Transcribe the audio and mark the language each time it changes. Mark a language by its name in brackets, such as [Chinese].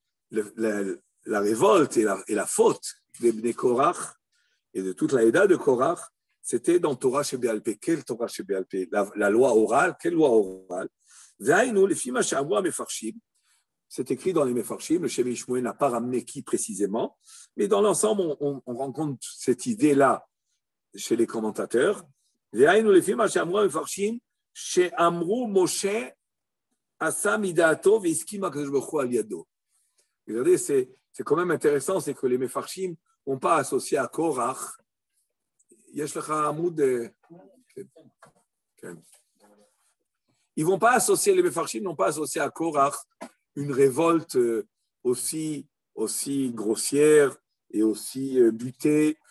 [French] La révolte et la faute des bnei Korach et de toute la Eda de Korach, c'était dans Torah שבעל פה. Quelle Torah שבעל פה? La loi orale, quelle loi orale? [Hebrew] והיינו, לפי מה שאמרו המפרשים, [French] c'est écrit dans les מפרשים, le Shemesh Mouen n'a pas ramené qui précisément, mais dans l'ensemble, on rencontre cette idée-là chez les commentateurs. [Hebrew] והיינו, לפי מה שאמרו המפרשים, שאמרו משה עשה מדעתו והסכים הקדוש ברוך הוא על ידו. [French] Regardez, c'est quand même intéressant, c'est que les Mefarshim n'ont pas associé à Korach. [Hebrew] יש לך עמוד... כן. [French] Ils vont pas associer, les Mefarshim n'ont pas associé à Korach une révolte aussi grossière et aussi butée.